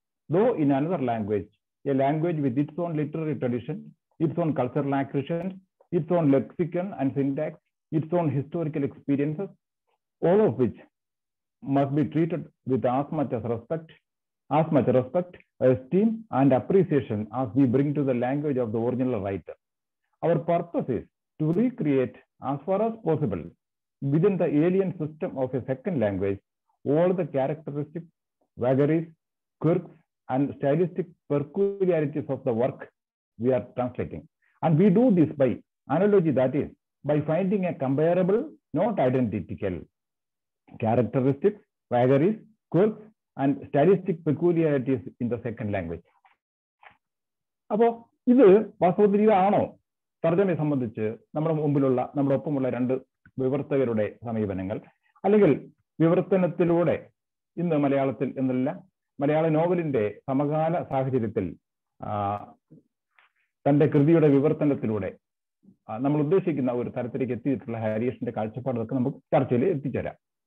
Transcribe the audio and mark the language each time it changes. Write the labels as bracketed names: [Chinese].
[English] Though in another language a language with its own literary tradition its own cultural acquisition its own lexicon and syntax its own historical experiences, all of which must be treated with as much as respect, as much respect, esteem and appreciation as we bring to the language of the original writer. Our purpose is to recreate as far as possible within the alien system of a second language all the characteristics, vagaries, quirks and stylistic peculiarities of the work we are translating. And we do this by analogy, that is, by finding a comparable, not identical, characteristics, vagaries, quirks, and stylistic peculiarities in the second language. [Malayalam] അപ്പോ ഇത് വാസ്തവത്തിലാണോ തർജ്ജമയെ സംബന്ധിച്ച് നമ്മുടെ മുമ്പിലുള്ള നമ്മുടെ ഒപ്പമുള്ള രണ്ട് വിവർത്തകരുടെ സമീപനങ്ങൾ, അല്ലെങ്കിൽ വിവർത്തനത്തിലൂടെ ഇന്ന് മലയാളത്തിൽ എന്നല്ല മലയാള നോവലിന്റെ സമകാല സാഹചര്യത്തിൽ തന്റെ കൃതിയുടെ വിവർത്തനത്തിലൂടെ നമ്മൾ ഉദ്ദേശിക്കുന്ന ഒരു തരത്തിലേക്ക് എത്തിയിട്ടുള്ള ഹാരിയേഷന്റെ കാഴ്ചപ്പാടൊക്കെ നമുക്ക് ചർച്ചയിൽ എത്തിച്ചേരാം.